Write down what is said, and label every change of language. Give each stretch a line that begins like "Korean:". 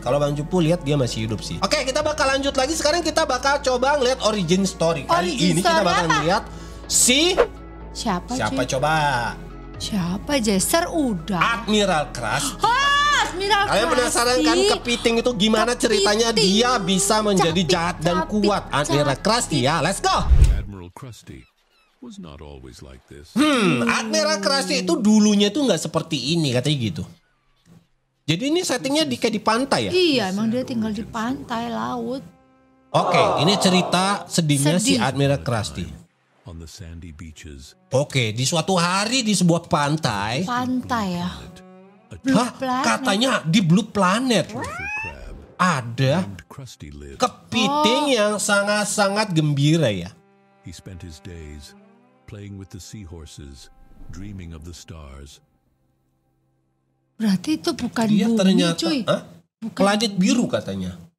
Indonesian: Kalau Bang Cupu lihat dia masih hidup sih. Oke, kita bakal lanjut lagi. Sekarang kita bakal coba ngeliat origin story. Kita bakal ngeliat si Siapa coba? Siapa? Jester udah. Admiral Crush. Admiral Kalian Krusty. Penasaran kan kepiting itu gimana kepiting. Ceritanya dia bisa menjadi jahat dan kuat.
English: Admiral Krusty ya, let's go. Admiral Krusty was not always like this.
Indonesian: Admiral Krusty itu dulunya tuh gak seperti ini, katanya gitu. Jadi ini settingnya kayak di pantai ya? Iya, emang dia tinggal di pantai, laut. Oke, ini cerita sedihnya si Admiral Krusty.
English: On the sandy beaches.
Indonesian: Oke, di suatu hari di sebuah pantai. Pantai ya? Katanya di Blue Planet ada kepiting yang sangat-sangat gembira ya.
English: He spent his days playing with the seahorses, dreaming of the stars.
Indonesian: Berarti itu bukan dia bumi, ternyata, cuy. Bukan planet biru katanya.